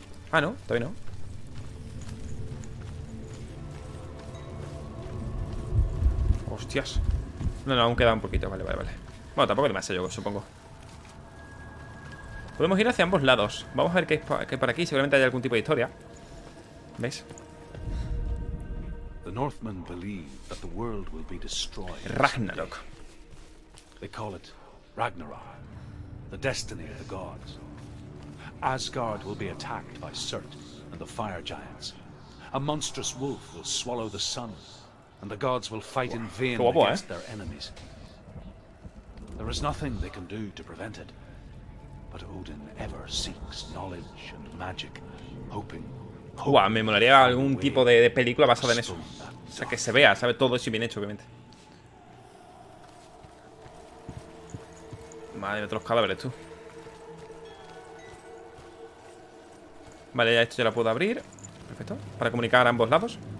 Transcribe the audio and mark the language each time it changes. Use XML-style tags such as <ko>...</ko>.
<es>Ah, no, todavía no. Hostias. No, aún queda un poquito, vale. Bueno, tampoco demasiado, yo supongo. Podemos ir hacia ambos lados. Vamos a ver qué hay por aquí, seguramente hay algún tipo de historia. ¿Veis?</es> <en>The Northmen believe that the world will be destroyed. Ragnarok. They call it Ragnarok, the destiny of the gods. Asgard will be attacked by Surt and the fire giants. A monstrous wolf will swallow the sun, and the gods will fight in vain against their enemies. There is nothing they can do to prevent it, but Odin ever seeks knowledge and magic, hoping.</en> <es>Guau, me molaría algún tipo de película basada en eso. O sea, que se vea, sabe, todo eso y bien hecho, obviamente. Madre, otros cadáveres, tú. Vale, ya esto ya lo puedo abrir. Perfecto, para comunicar a ambos lados.</es>